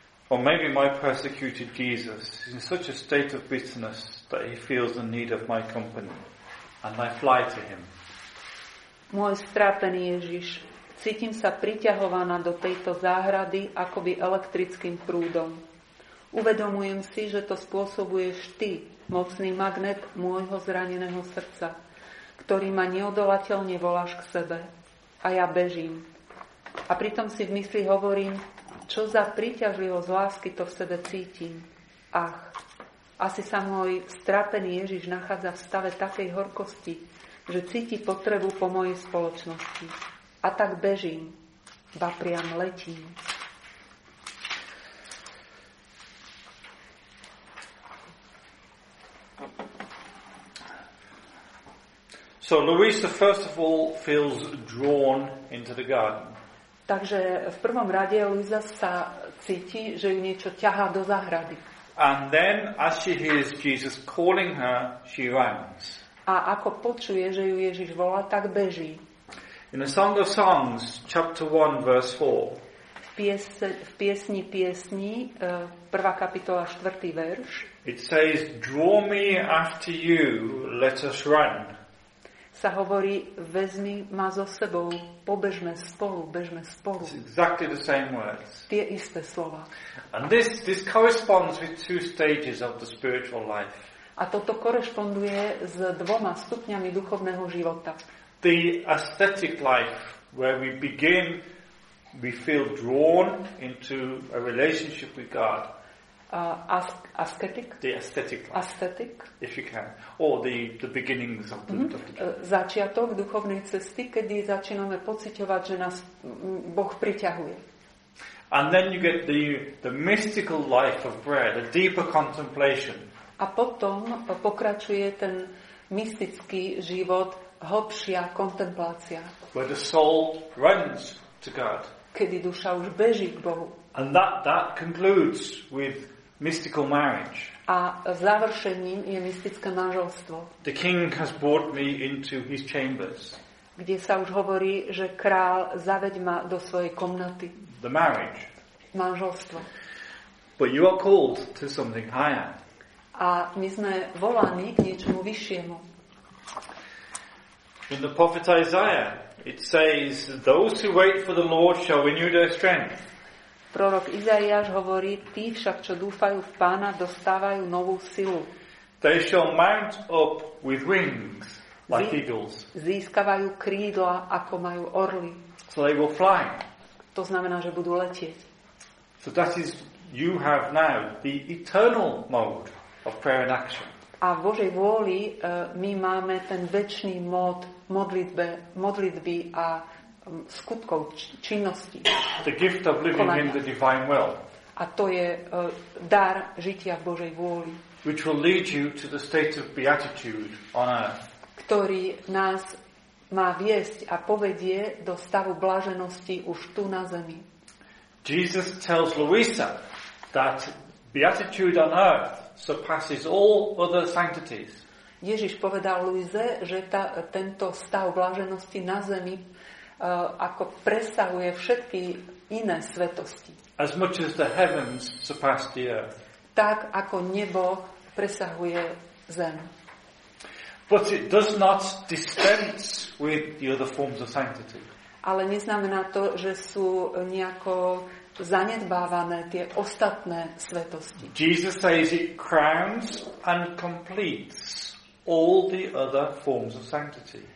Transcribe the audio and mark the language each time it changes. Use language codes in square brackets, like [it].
[en] Or maybe my persecuted Jesus is in such a state of bitterness that he feels the need of my company, and I fly to him. [sk] Môj strápený Ježiš, cítim sa priťahovaná do tejto záhrady akoby elektrickým prúdom. Uvedomujem si, že to spôsobuješ ty, mocný magnet môjho zraneného srdca, ktorý ma neodolateľne voláš k sebe. A ja bežím. A pritom si v mysli hovorím, čo za príťažlivosť lásky to v sebe cítim. Ach, asi sa môj strápený Ježiš nachádza v stave takej horkosti, že cíti potrebu po mojej spoločnosti. A tak bežím, ba priam letím. [en] So Luisa first of all feels drawn into the garden. [sk] Takže v prvom rade Luisa sa cíti, že ju niečo ťahá do záhrady. [en] And then as she hears Jesus calling her, she runs. [sk] A ako počuje, že ju Ježiš volá, tak beží. [en] In the Song of Songs, chapter 1, verse 4. [sk] V piesni piesni, prvá kapitola, štvrtý verš. [en] It says, draw me after you, let us run. [sk] Sa hovorí, vezmi ma so sebou, pobežme spolu, bežme spolu. [en] It's exactly the same words. [sk] Tie isté slova. [en] And this corresponds with two stages of the spiritual life. [sk] A toto korešponduje s dvoma stupňami duchovného života. [en] The aesthetic life, where we begin, we feel drawn into a relationship with God. Aesthetic? The aesthetic life. Aesthetic? If you can. Or the beginnings of the... Mm-hmm. Of the [sk] začiatok duchovnej cesty, kedy začíname pociťovať, že nás Boh priťahuje. [en] And then you get the mystical life of prayer, the deeper contemplation. [sk] A potom pokračuje ten mystický život, hlbšia kontemplácia. [en] Where the soul runs to God. [sk] Kedy duša už beží k Bohu. [en] And that concludes with mystical marriage. [sk] A završením je mystické manželstvo. [en] The king has brought me into his chambers. [sk] Kde sa už hovorí, že král zaveď ma do svojej komnaty. [en] The marriage. [sk] Manželstvo. [en] But you are called to something higher. [sk] A my sme volaní k niečomu vyššiemu. [en] In the prophet Isaiah, it says, those who wait for the Lord shall renew their strength. [sk] Prorok Izaiáš hovorí, tí však, čo dúfajú v Pána, dostávajú novú silu. [en] They shall mount up with wings, like eagles. [sk] Získavajú krídla, ako majú orly. [en] So they will fly. [sk] To znamená, že budú letieť. [en] So that is, you have now the eternal mode of prayer and action. [sk] A v Božej vôli my máme ten večný mód modlitby a skutkov činnosti. [en] The gift of living [sk] konania. [en] In the divine will. [sk] A to je dar žitia v Božej vôli. [en] Which will lead you to the state of beatitude on earth. [sk] Ktorý nás má viesť a povedie do stavu bláženosti už tu na zemi. [en] Jesus tells Luisa that beatitude on earth surpasses all other sanctities. [sk] Ježiš povedal Luise, že tento stav bláženosti na zemi ako presahuje všetky iné svetosti. [en] As much as the heavens surpass the earth. [sk] Tak ako nebo presahuje zem. [en] But it does not dispense with the other forms of sanctity. [sk] Ale neznamená to, že sú nejako zanedbávané tie ostatné svetosti. [en] Jesus says it crowns and completes all the other forms of sanctity.